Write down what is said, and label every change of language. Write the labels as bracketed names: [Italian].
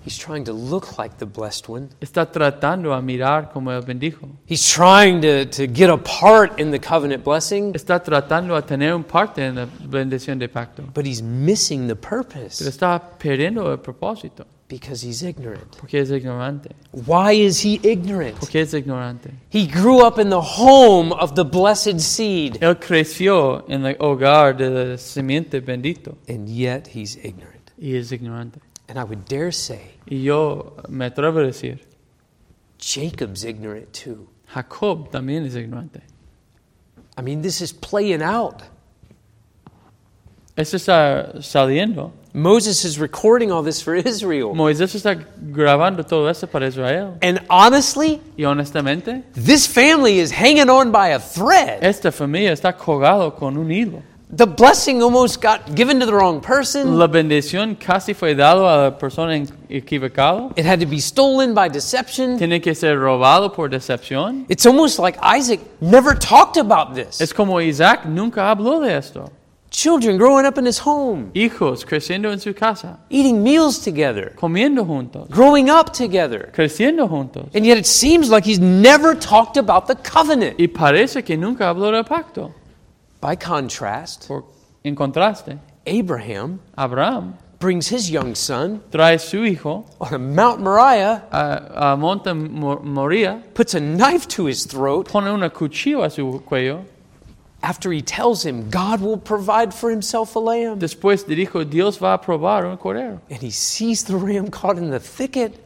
[English] He's trying to look like the blessed one. [Spanish] Está tratando a mirar como el bendijo. [English] He's trying to get a part in the covenant blessing. [Spanish] Está tratando a tener un parte en la bendición de pacto. [English] But he's missing the purpose. [Spanish] Pero está perdiendo el propósito. [English] Because he's ignorant. [Spanish] Porque es ignorante. [English] Why is he ignorant? [Spanish] Porque es ignorante. [English] He grew up in the home of the blessed seed. [Spanish] Él creció en el hogar de la simiente bendito. [English] And yet he's ignorant. [Spanish] Y es ignorante. [English] And I would dare say. [Spanish] Y yo me atrevo a decir. [English] Jacob's ignorant too. [Spanish] Jacob también es ignorante. [English] I mean, this is playing out. [Spanish] Esto está saliendo. [English] Moses is recording all this for Israel. [Spanish] Moisés está grabando todo esto para Israel. [English] And honestly, [Spanish] y honestamente, [English] this family is hanging on by a thread. [Spanish] Esta familia está colgado con un hilo. [English] The blessing almost got given to the wrong person. [Spanish] La bendición casi fue dado a la persona equivocada. [English] It had to be stolen by deception. [Spanish] Tiene que ser robado por decepción. [English] It's almost like Isaac never talked about this. [Spanish] Es como Isaac nunca habló de esto. [English] Children growing up in his home. [Spanish] Hijos creciendo en su casa. [English] Eating meals together. [Spanish] Comiendo juntos. [English] Growing up together. [Spanish] Creciendo juntos. [English] And yet it seems like he's never talked about the covenant. [Spanish] Y parece que nunca habló del pacto. [English] By contrast. [Spanish] En contraste. [English] Abraham. [Spanish] Abraham. [English] brings his young son, [Spanish] trae su hijo, [English] on Mount Moriah, [Spanish] a Monte Moria, [English] puts a knife to his throat, [Spanish] pone una cuchilla a su cuello, [English] after he tells him God will provide for himself a lamb. [Spanish] Después le dijo Dios va a probar un cordero. [English] And he sees the ram caught in the thicket.